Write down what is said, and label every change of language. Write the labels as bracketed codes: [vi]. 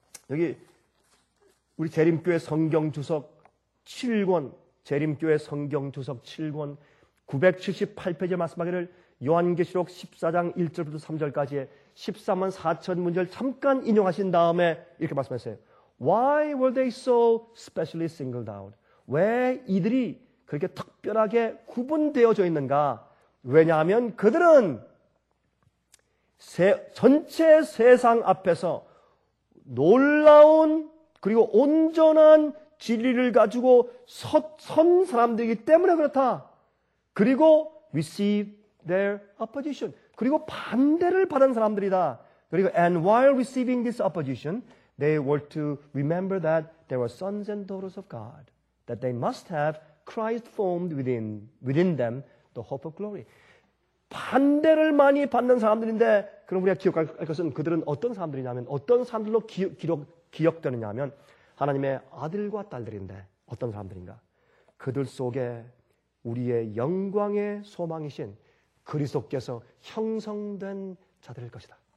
[ko] 여기 우리 재림교회 성경 주석 7권, 재림교회 성경 주석 7권 978페이지 말씀하기를 요한계시록 14장 1절부터 3절까지에 14만 4천 문제를 잠깐 인용하신 다음에 이렇게 말씀하세요. [en] Why were they so specially singled out? [ko] 왜 이들이 그렇게 특별하게 구분되어져 있는가? 왜냐하면 그들은 전체 세상 앞에서 놀라운 그리고 온전한 진리를 가지고 선 사람들이기 때문에 그렇다. 그리고 [en] receive their opposition. [ko] 그리고 반대를 받은 사람들이다. 그리고 [en] and while receiving this opposition, they were to remember that they were sons and daughters of God, that they must have Christ formed within them the hope of glory. [ko] 반대를 많이 받는 사람들인데 그럼 우리가 기억할 것은 그들은 어떤 사람들이냐면 어떤 사람들로 기억되느냐 하면 하나님의 아들과 딸들인데 어떤 사람들인가? 그들 속에 우리의 영광의 소망이신 그리스도께서 형성된 자들일 것이다.